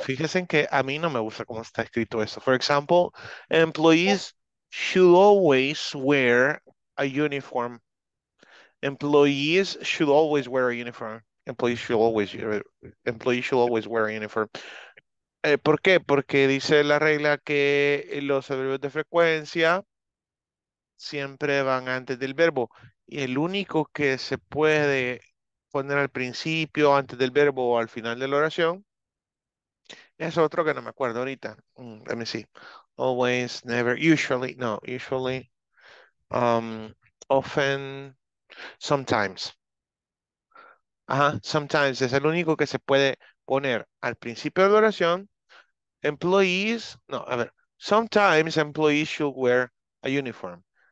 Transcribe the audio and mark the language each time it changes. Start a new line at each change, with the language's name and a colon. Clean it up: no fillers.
Spanish: Fíjense que a mí no me gusta cómo está escrito eso.
English: For example, employees should always wear a uniform. Employees should always wear a uniform. Employees should always wear a uniform.
Spanish: ¿Por qué? Porque dice la regla que los adverbios de frecuencia siempre van antes del verbo. Y el único que se puede poner al principio, antes del verbo o al final de la oración, es otro que no me acuerdo ahorita.
English: Let me see. Always, never, usually, no, usually, often, sometimes.
Spanish: Ajá, sometimes es el único que se puede poner al principio de la oración.
English: Employees, no,
Spanish: a ver,
English: sometimes employees should wear a uniform.